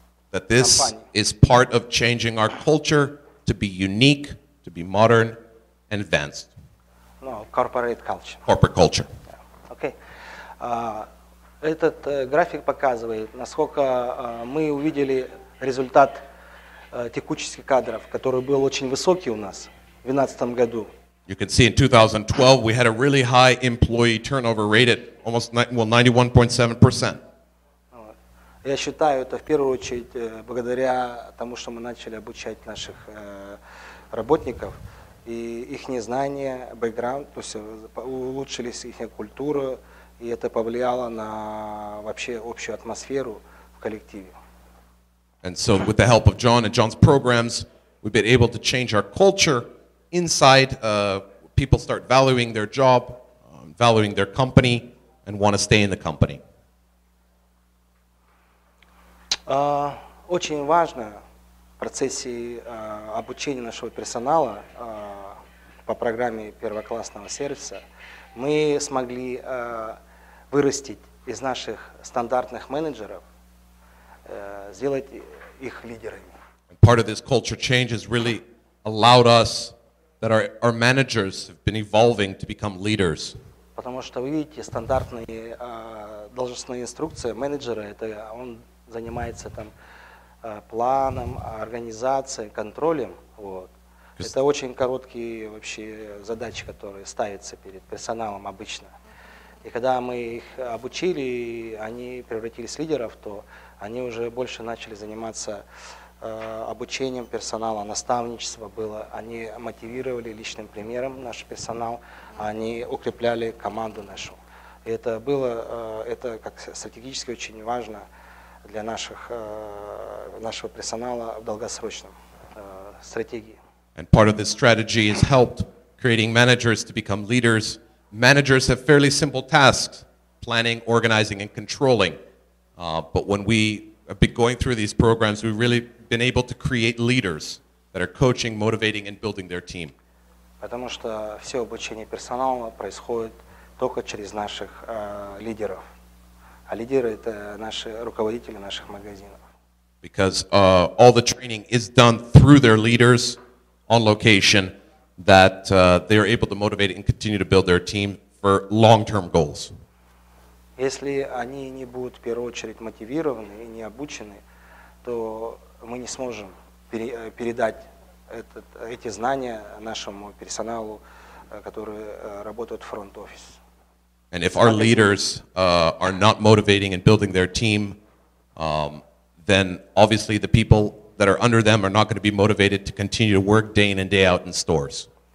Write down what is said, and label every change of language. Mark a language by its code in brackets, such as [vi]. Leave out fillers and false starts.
[en] That this is part of changing our culture to be unique, to be modern and advanced. No, corporate culture. Corporate culture. Yeah. Okay. [ru] Этот график показывает, насколько мы увидели результат текучести кадров, который был очень высокий у нас в 2012 году. [en] You can see in 2012, we had a really high employee turnover rate at almost 91.7%. [ru] Я считаю, это в первую очередь благодаря тому, что мы начали обучать наших работников, и их знания, бэкграунд, то есть улучшились их культура, и это повлияло на вообще общую атмосферу в коллективе. [en] And so with the help of John and John's programs, we've been able to change our culture inside. People start valuing their job, valuing their company, and want to stay in the company. [ru] Очень важно в процессе обучения нашего персонала по программе первоклассного сервиса мы смогли вырастить из наших стандартных менеджеров, сделать их лидерами. [en] Part of this culture change has really allowed us that our managers have been evolving to become leaders. [ru] Потому что вы видите стандартные должностные инструкции менеджера, это он занимается там планом, организацией, контролем. Вот. Это очень короткие вообще задачи, которые ставятся перед персоналом обычно. И когда мы их обучили, они превратились в лидеров, то они уже больше начали заниматься обучением персонала, наставничество было. Они мотивировали личным примером наш персонал, они укрепляли команду нашу. И это было, это как стратегически очень важно для нашего персонала в долгосрочном стратегии. [en] And part of this strategy has helped creating managers to become leaders. Managers have fairly simple tasks: planning, organizing, and controlling. But when we have been going through these programs, we've really been able to create leaders that are coaching, motivating, and building their team. [ru] Потому что все обучение персонала происходит только через наших лидеров. А лидеры — это наши руководители наших магазинов. [en] Because all the training is done through their leaders on location, that they are able to motivate and continue to build their team for long-term goals. [ru] Если они не будут в первую очередь мотивированы и не обучены, то мы не сможем передать эти знания нашему персоналу, который работает в фронт-офис. [en] And if our leaders are not motivating and building their team, then obviously the people that are under them are not going to be motivated to continue to work day in and day out in stores.